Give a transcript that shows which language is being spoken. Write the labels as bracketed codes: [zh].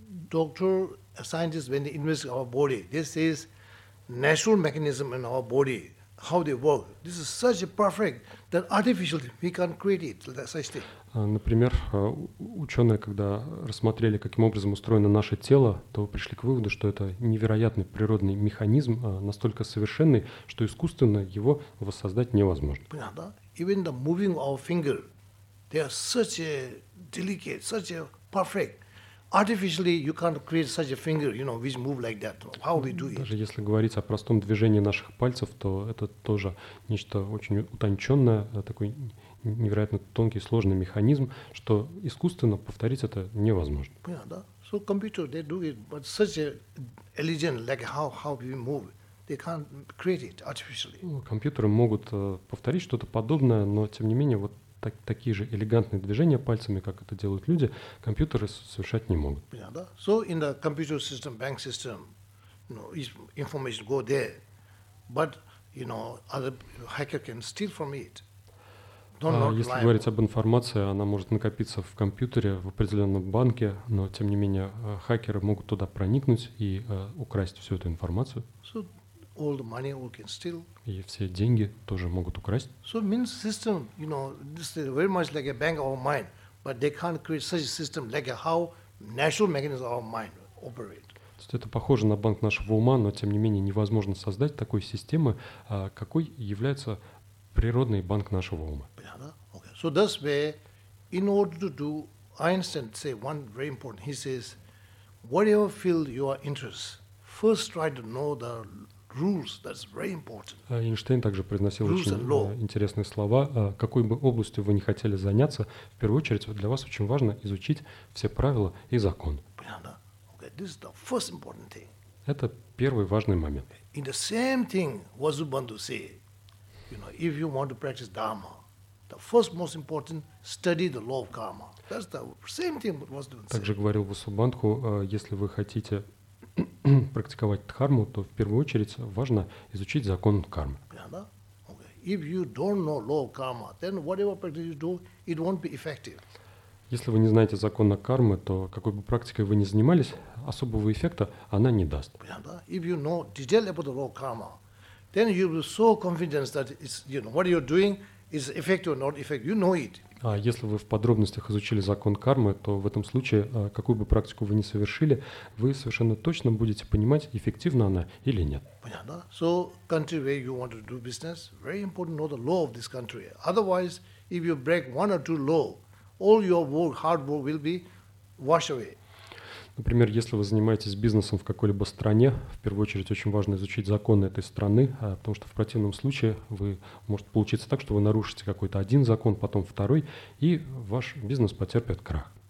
[en] Doctor, a scientist, when they investigate our body, this is natural mechanism in our body, how they work. This is such a perfect that artificial we can't create it. Such thing. [ru] Например, ученые, когда рассмотрели, каким образом устроено наше тело, то пришли к выводу, что это невероятный природный механизм, настолько совершенный, что искусственно его воссоздать невозможно. Понятно. [en] Even the moving of our finger, they are such a delicate, such a perfect. Artificially, you can't create such a finger, you know, which move like that. How we do it? [ru] Даже если говорить о простом движении наших пальцев, то это тоже нечто очень утонченное, такой невероятно тонкий, сложный механизм, что искусственно повторить это невозможно. Понятно, да? [en] So computer, they do it, but such a elegant, like how we move, they can't create it artificially. [ru] Компьютеры могут повторить что-то подобное, но тем не менее вот. Такие же элегантные движения пальцами, как это делают люди, компьютеры совершать не могут. Понятно, да? [en] So in the computer system, bank system, you know, information go there, but you know, other hacker can steal from it. [ru] Если говорить об информации, она может накопиться в компьютере в определенном банке, но тем не менее хакеры могут туда проникнуть и украсть всю эту информацию. [en] So all the money we can steal. [ru] И все деньги тоже могут украсть. [en] So means system, you know, this is very much like a bank of our mind, but they can't create such a system like how natural mechanism of our mind operate. [ru] То есть это похоже на банк нашего ума, но тем не менее невозможно создать такой системы, какой является природный банк нашего ума. [en] Okay. So that's where, in order to do, Einstein say one very important. He says, whatever field you are interested, first try to know the rules, that's very important. [ru] Эйнштейн также произносил очень интересные слова. Какой бы областью вы не хотели заняться, в первую очередь для вас очень важно изучить все правила и закон. Понятно? [en] Okay, this is the first important thing. [ru] Это первый важный момент. [en] In the same thing, what Zubandhu say, you know, if you want to practice Dharma, the first most important, study the law of karma. That's the same thing what Zubandhu say. [ru] Также говорил Зубандху, если вы хотите практиковать дхарму, то в первую очередь важно изучить закон кармы. [en] If you don't know law of karma, then whatever practice you do, it won't be effective. [ru] Если вы не знаете закона кармы, то какой бы практикой вы ни занимались, особого эффекта она не даст. [en] If you know detail about the law of karma, then you will be so confident that it's, you know, what you're doing, is effective or not effective, you know it. [ru] А если вы в подробностях изучили закон кармы, то в этом случае, какую бы практику вы ни совершили, вы совершенно точно будете понимать, эффективна она или нет. Понятно. [en] So, country where you want to do business, very important to know the law of this country. Otherwise, if you break one or two law, all your work, hard work will be washed away. [ru] Например, если вы занимаетесь бизнесом в какой-либо стране, в первую очередь очень важно изучить законы этой страны, потому что в противном случае вы может получиться так, что вы нарушите какой-то один закон, потом второй, и ваш бизнес потерпит крах.